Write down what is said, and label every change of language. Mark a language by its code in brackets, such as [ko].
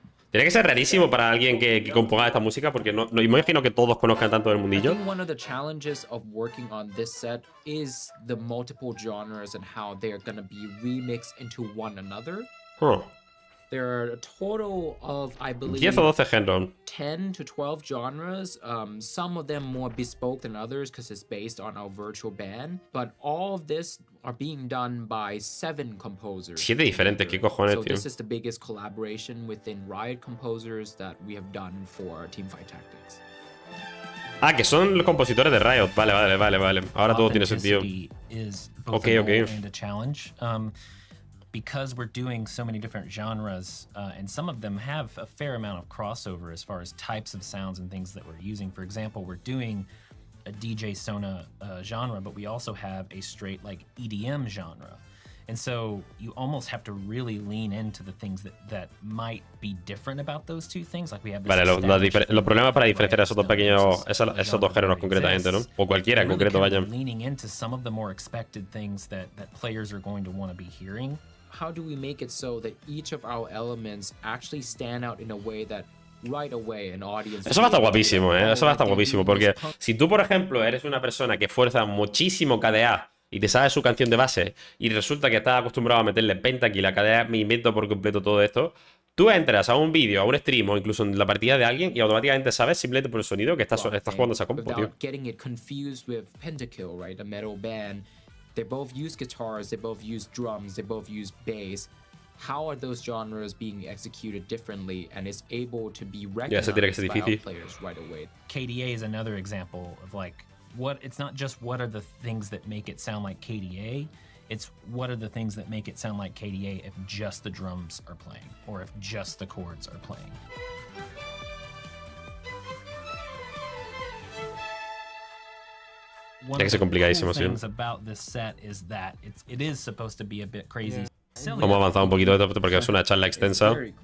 [es] Tiene que ser rarísimo para alguien que componga esta música, porque no imagino que todos conozcan tanto del mundillo. [en] One of the challenges of working on this set is the multiple genres and how they are going to be remixed into one another. There are a total of, I believe, 10 to 12 genres. Some of them more bespoke than others because it's based on our virtual band. But all of this are being done by 7 composers. [es] Siete diferentes, qué cojones, tío. [en] So this is the biggest collaboration within Riot composers that we have done for our Teamfight Tactics. [es] Ah, que son los compositores de Riot. Vale. Ahora todo tiene sentido. Okay. [en] And a challenge. Because we're doing so many different genres, and some of them have a fair amount of crossover as far as types of sounds and things that we're using. For example, we're doing a DJ Sona genre, but we also have a straight like EDM genre. And so you almost have to really lean into the things that might be different about those two things. Like we have this. [es] Vale, los problemas para diferenciar esos dos pequeños, esos dos géneros concretamente, ¿no? O cualquiera en concreto, vaya. [en] Leaning into some of the more expected things that players are going to want to be hearing. How do we make it so that each of our elements actually stand out in a way that right away an audience? [es] Eso va a estar guapísimo, ¿eh? Eso va a estar guapísimo, porque si tú, por ejemplo, eres una persona que fuerza muchísimo KDA y te sabes su canción de base y resulta que estás acostumbrado a meterle pentakill a KDA, me invento por completo todo esto, tú entras a un vídeo, a un stream o incluso en la partida de alguien y automáticamente sabes simplemente por el sonido que estás jugando esa compo, tío. [en] Getting it confused with pentakill, right? A metal band. They both use guitars, they both use drums, they both use bass. How are those genres being executed differently and is able to be recognized by our players right away? KDA is another example of like, what it's not just what are the things that make it sound like KDA, it's what are the things that make it sound like KDA if just the drums are playing or if just the chords are playing. One of the cool things about this set is that it is supposed to be a bit crazy. Yeah. [es] Vamos a avanzar un poquito esto porque es una charla extensa.